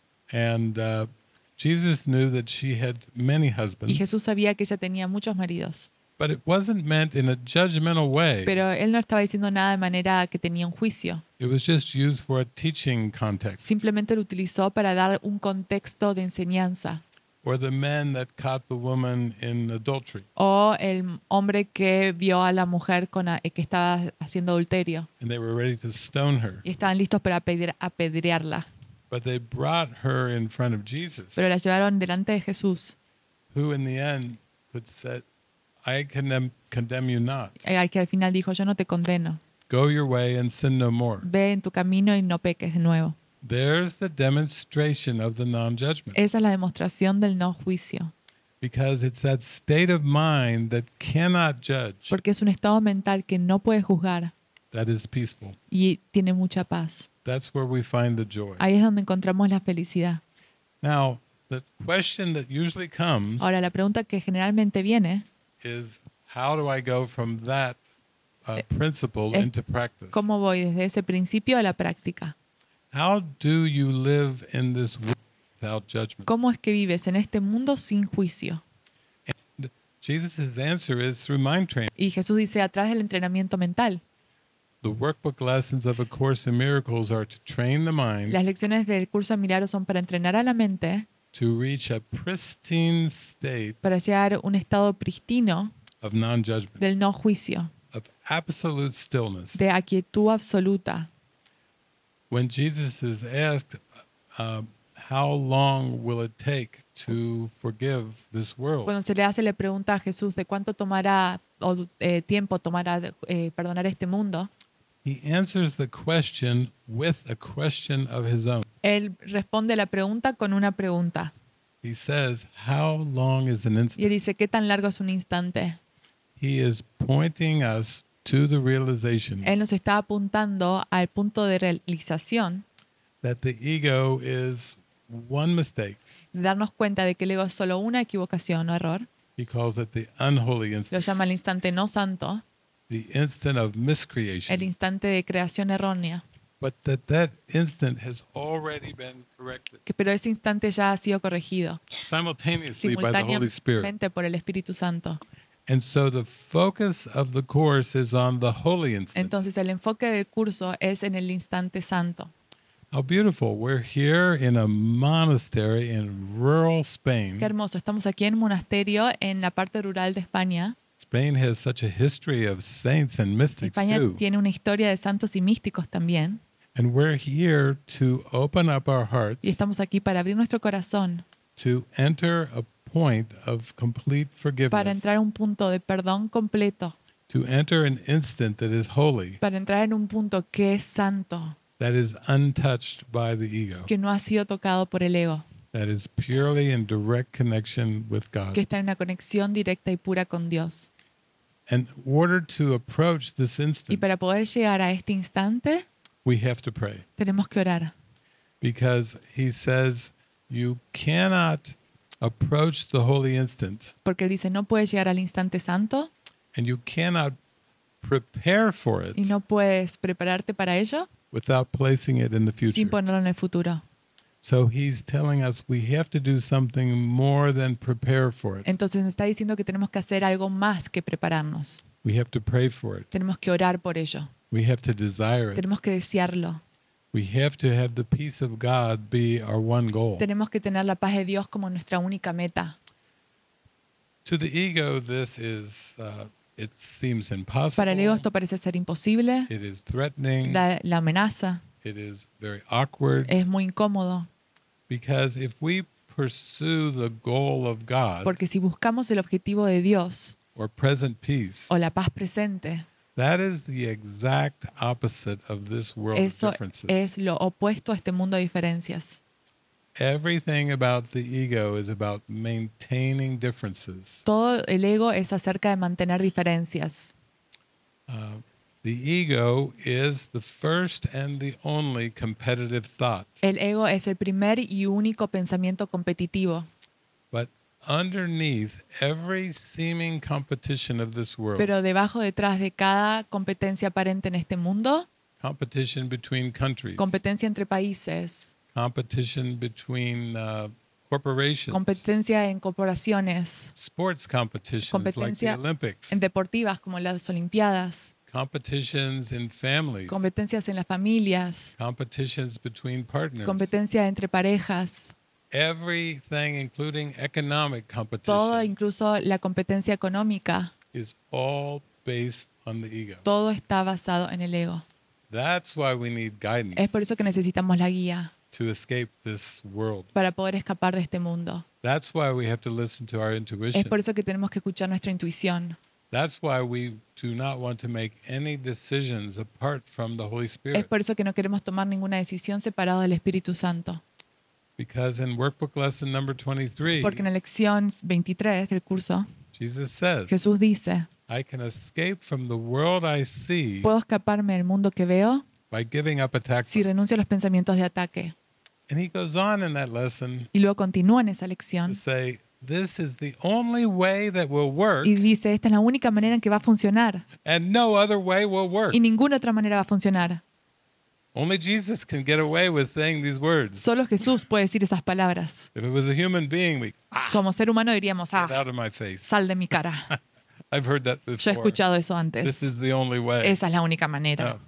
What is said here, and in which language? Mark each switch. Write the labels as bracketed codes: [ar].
[en] And Jesus knew that she had many husbands. [es] Y Jesús sabía que ella tenía muchos maridos. [en] But it wasn't meant in a judgmental way. [es] Pero él no estaba diciendo nada de manera que tenía un juicio. [en] It was just used for a teaching context. [es] Simplemente lo utilizó para dar un contexto de enseñanza. [en] Or the man that caught the woman in adultery. [es] O el hombre que vio a la mujer con que estaba haciendo adulterio. [en] And they were ready to stone her. [es] Y estaban listos para apedrearla. [en] But they brought her in front of Jesus. [es] Pero la llevaron delante de Jesús. [en] Who in the end could say, I condemn you not. [es] Al que al final dijo, yo no te condeno. [en] Go your way and sin no more. [es] Ve en tu camino y no peques de nuevo. [en] There's the demonstration of the non-judgment. [es] Esa es la demostración del no juicio. [en] Because it's that state of mind that cannot judge. [es] Porque es un estado mental que no puede juzgar. [en] That is peaceful. [es] Y tiene mucha paz. [en] That's where we find the joy. [es] Ahí es donde encontramos la felicidad. [en] Now, the question that usually comes. [es] Ahora la pregunta que generalmente viene. [en] Is how do I go from that principle into practice? [es] ¿Cómo voy desde ese principio a la práctica? [en] How do you live in this world without judgment? [es] ¿Cómo es que vives en este mundo sin juicio? [en] And Jesus's answer is through mind training. [es] Y Jesús dice a través del entrenamiento mental. [en] The workbook lessons of A Course in Miracles are to train the mind. [es] Las lecciones del curso de milagros son para entrenar a la mente. [en] To reach a pristine state, [es] para llegar a un estado pristino, [en] of non-judgment, [es] del no juicio, [en] of absolute stillness, [es] de aquietud absoluta. [en] When Jesus is asked, "How long will it take to forgive this world?" [es] Cuando se le hace la pregunta a Jesús de cuánto tomará o tiempo tomará perdonar este mundo. [en] He answers the question with a question of his own. [es] Él responde la pregunta con una pregunta. [en] He says, "How long is an instant?" [es] Y dice, ¿qué tan largo es un instante? [en] He is pointing us to the realization. [es] Él nos está apuntando al punto de realización. [en] That the ego is one mistake. [es] Darnos cuenta de que el ego es solo una equivocación o error. [en] He calls it the unholy instant. [es] Lo llama el instante no santo. [en] The instant of miscreation. [es] El instante de creación errónea. [en] But that instant has already been corrected. [es] Pero ese instante ya ha sido corregido. [en] Simultaneously by the Holy Spirit. [es] Por el Espíritu Santo. [en] And so the focus of the course is on the holy instant. [es] Entonces el enfoque del curso es en el instante santo. [en] How beautiful! We're here in a monastery in rural Spain. [es] Qué hermoso. Estamos aquí en un monasterio en la parte rural de España. [en] Spain has such a history of saints and mystics [es] España [en] too. [es] Tiene una historia de santos y místicos también. [en] And we're here to open up our hearts. [es] Y estamos aquí para abrir nuestro corazón. [en] To enter a point of complete forgiveness. [es] Para entrar a un punto de perdón completo. [en] To enter an instant that is holy. [es] Para entrar en un punto que es santo. [en] That is untouched by the ego. [es] Que no ha sido tocado por el ego. [en] That is purely in direct connection with God. [es] Que está en una conexión directa y pura con Dios. [en] And in order to approach this instant, [es] y para poder llegar a este instante, [en] we have to pray. [es] Tenemos que orar. [en] Because he says you cannot approach the holy instant. [es] Porque dice no puedes llegar al instante santo. [en] And you cannot prepare for it. [es] Y no puedes prepararte para ello. [en] Without placing it in the future. [es] Sin ponerlo en el futuro. [en] So he's telling us we have to do something more than prepare for it. [es] Entonces nos está diciendo que tenemos que hacer algo más que prepararnos. [en] We have to pray for it. [es] Tenemos que orar por ello. [en] We have to desire it. [es] Tenemos que desearlo. [en] We have to have the peace of God be our one goal. [es] Tenemos que tener la paz de Dios como nuestra única meta. [en] To the ego, this is it seems impossible. [es] Para el ego esto parece ser imposible. [en] It is threatening. [es] La amenaza. [en] It is very awkward. [es] Es muy incómodo. [en] Because if we pursue the goal of God, [es] porque si buscamos el objetivo de Dios, [en] or present peace, [es] o la paz presente, [en] that is the exact opposite of this world of differences. [es] Eso es lo opuesto a este mundo de diferencias. [en] Everything about the ego is about maintaining differences. [es] Todo el ego es acerca de mantener diferencias. [en] The ego is the first and the only competitive thought. [es] El ego es el primer y único pensamiento competitivo. [en] But underneath every seeming competition of this world. [es] Pero debajo, detrás de cada competencia aparente en este mundo. [en] Competition between countries. [es] Competencia entre países. [en] Competition between corporations. [es] Competencia en corporaciones. [en] Sports competitions. [es] Competencia [en] like the Olympics. [es] En deportivas como las Olimpiadas. [en] Competitions in families. [es] Competencias en las familias. [en] Competitions between partners. [es] Competencia entre parejas. [en] Everything, including economic competition. [es] Todo, incluso la competencia económica. [en] Is all based on the ego. [es] Todo está basado en el ego. [en] That's why we need guidance. [es] Es por eso que necesitamos la guía. [en] To escape this world. [es] Para poder escapar de este mundo. [en] That's why we have to listen to our intuition. [es] Es por eso que tenemos que escuchar nuestra intuición. [en] That's why we do not want to make any decisions apart from the Holy Spirit. [es] Es por eso que no queremos tomar ninguna decisión separada del Espíritu Santo. [en] Because in workbook lesson number 23. [es] Porque en la lección 23 del curso. [en] Jesus says. [es] Jesús dice. [en] I can escape from the world I see. [es] Puedo escaparme del mundo que veo. [en] By giving up attack. [es] Si renuncio a los pensamientos de ataque. [en] And he goes on in that lesson. [es] Y luego continúa en esa lección. [en] To say, this is the only way that will work. [es] Y dice, esta es la única manera en que va a funcionar. [en] And no other way will work. [es] Y ninguna otra manera va a funcionar. [en] Only Jesus can get away with saying these words. [es] Solo Jesús puede decir esas palabras. [en] If it was a human being, we, [es] como ser humano diríamos, ah, [en] get out of my face. [es] Sal de mi cara. [en] I've heard that before. [es] Yo he escuchado eso antes. [en] This is the only way. [es] Esa es la única manera.